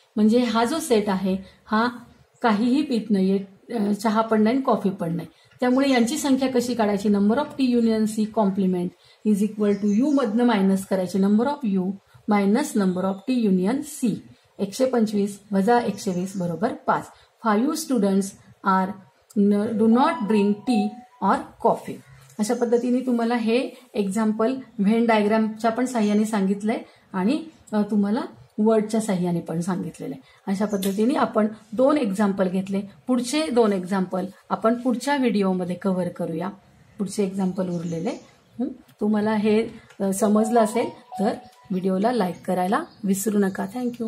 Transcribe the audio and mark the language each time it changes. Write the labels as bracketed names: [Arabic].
[Marathi] म्हणजे हा जो सेट आहे हा काहीही पित नाहीये, चहा पण नाही कॉफी पण नाही. त्यामुळे यांची संख्या कशी काढायची, [English] number of T union C complement is equal to [Marathi] you मधनं मायनस करायचे, [English] Number of U minus number of T union C. [Marathi] 125 वजा 120 बरोबर 5. [English] 5 students are do not drink tea or coffee. [Marathi] अशा पद्धतीने तुम्हाला हे एक्झाम्पल व्हेन डायग्रामच्या पण सहाय्याने सांगितलंय आणि तुम्हाला वर्डच्या सहाय्याने पण सांगितलेलं आहे. अशा पद्धतीने आपण दोन एक्झाम्पल घेतले. पुढचे दोन एक्झाम्पल आपण पुढच्या व्हिडिओमध्ये कव्हर करूया. पुढचे एक्झाम्पल उरलेले, तुम्हाला हे समजलं असेल तर व्हिडिओला लाईक करायला विसरू नका. थँक्यू.